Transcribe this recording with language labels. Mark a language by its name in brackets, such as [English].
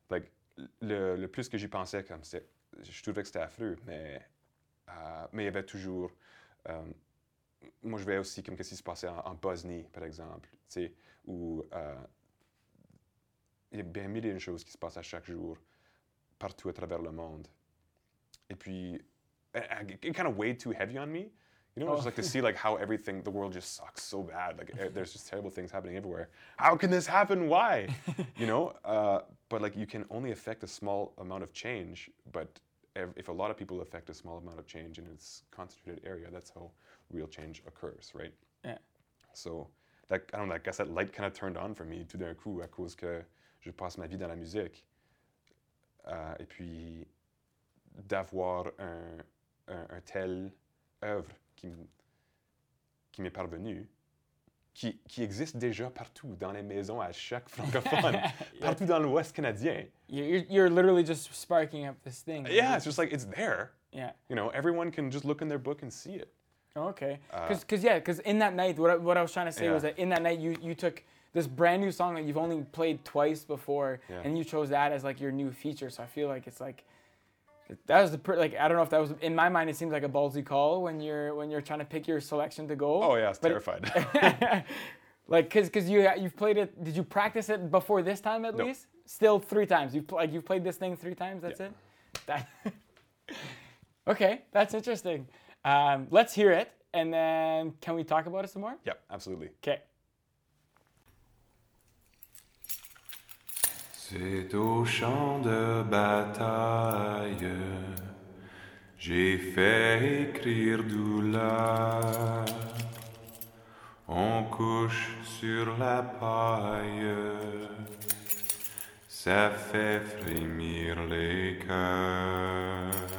[French] Like, le plus que j'y pensais, comme, c'est... Je trouvais que c'était affreux, mais il y avait toujours... moi, je voyais aussi comme qu'est-ce qui se passait en Bosnie, par exemple, tu sais, où il y a bien mille et une choses qui se passent à chaque jour, partout à travers le monde. Et puis, [English] it kind of weighed too heavy on me. You know, just like to see like how everything, the world just sucks so bad. Like, there's just terrible things happening everywhere. How can this happen? Why? You know? But like, you can only affect a small amount of change. But if a lot of people affect a small amount of change in its concentrated area, that's how real change occurs, right? Yeah. So, that, I don't know, I guess that light kind of turned on for me [French] tout d'un coup à cause que je passe ma vie dans la musique. Et puis, d'avoir un tel œuvre qui m'est parvenu, qui existe déjà partout, dans les maisons à chaque francophone, partout dans l'Ouest canadien. [English] You're literally just sparking up this thing. Yeah, it's just like, it's there. Yeah. You know, everyone can just look in their book and see it. Okay. Because in that night, what I was trying to say was that in that night, you took this brand new song that you've only played twice before, and you chose that as like your new feature. So I feel like it's like, that was I don't know if that was, in my mind, it seems like a ballsy call when you're trying to pick your selection to go. Oh yeah, I was terrified. like, cause you've played it, did you practice it before this time at least? Still three times. You've played this thing three times, that's it? okay, that's interesting. Let's hear it, and then can we talk about it some more? Yeah, absolutely. Okay. [French] C'est au champ de bataille, j'ai fait écrire douleur. On couche sur la paille, ça fait frémir les cœurs.